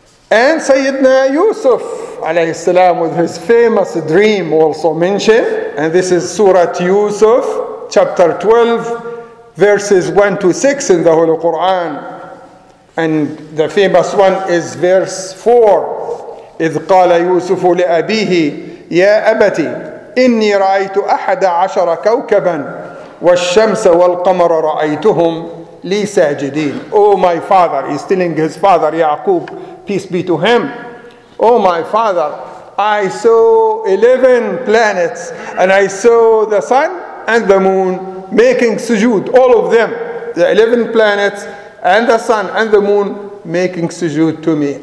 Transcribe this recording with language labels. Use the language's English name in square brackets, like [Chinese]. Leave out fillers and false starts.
[English] And Sayyidina Yusuf alayhi salam with his famous dream also mentioned, and this is Surah Yusuf chapter 12 verses 1 to 6 in the Holy Quran, and the famous one is verse 4. [Arabic] إذ قال يوسف لأبيه يا أبتي إني رأيت أحد عشر كوكبا والشمس والقمر رأيتهم لي ساجدين. [English] Oh my father, he's telling his father Yaqub, peace be to him. Oh my father, I saw 11 planets and I saw the sun and the moon making sujood, all of them. The 11 planets and the sun and the moon making sujood to me.